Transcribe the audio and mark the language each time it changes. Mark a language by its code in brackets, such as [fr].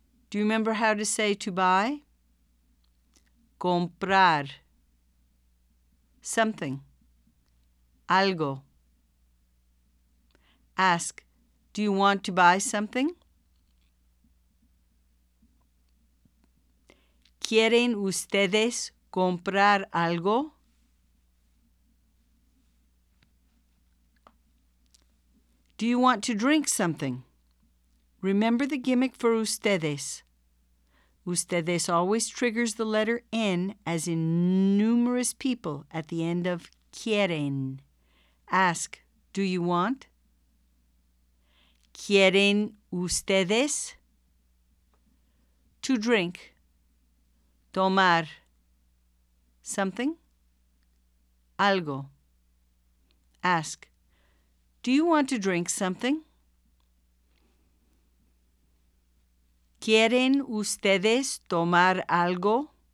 [en] Do you remember how to say to buy? Comprar. Something. Algo. Ask, do you want to buy something? [es] ¿Quieren ustedes comprar algo? [en] Do you want to drink something? Remember the gimmick for ustedes. Ustedes always triggers the letter N as in numerous people at the end of quieren. Ask, do you want? [es] ¿Quieren ustedes? [en] To drink. Tomar. Something. Algo. Ask, do you want to drink something? [es] ¿Quieren ustedes tomar algo?